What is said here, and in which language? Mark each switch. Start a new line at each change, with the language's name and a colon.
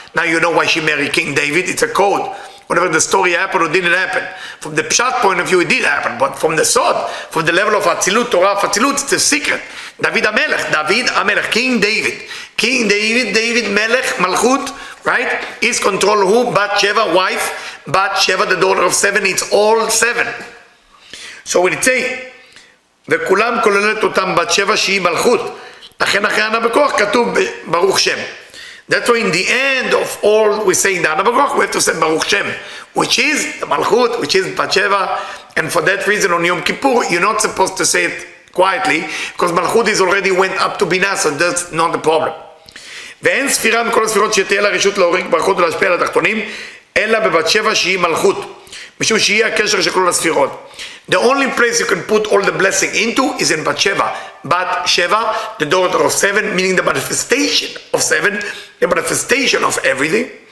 English: Now you know why she married King David, it's a code, whatever the story happened or didn't happen, from the pshat point of view it did happen, but from the sod, from the level of atzilut torah of atzilut, it's a secret. David amelech, David amelech, King David, King David, David melech, malchut, right, is control who, bat sheva, wife, bat sheva, the daughter of seven, it's all seven. So when it say
Hebrew: וכולם כוללת אותם בת שבע שהיא מלכות. לכן אחרי ענה בכוח כתוב ברוך שם.
English: That's why in the end of all we say in the ענה בכוח, we have to say ברוך שם, which is the מלכות, which is בת שבע. And for that reason on יום כיפור, you're not supposed to say it quietly, because מלכות is already went up to בינה, so that's not the problem.
Hebrew: ואין ספירה מכל הספירות שתהיה לה רשות להוריק ברכות ולהשפיע על התחתונים, אלא בבת שבע שהיא מלכות. משום שהיא הקשר של כל הספירות.
English: The only place you can put all the blessing into is in Bat Sheva. Bat Sheva, the daughter of seven, meaning the manifestation of seven, the manifestation of everything.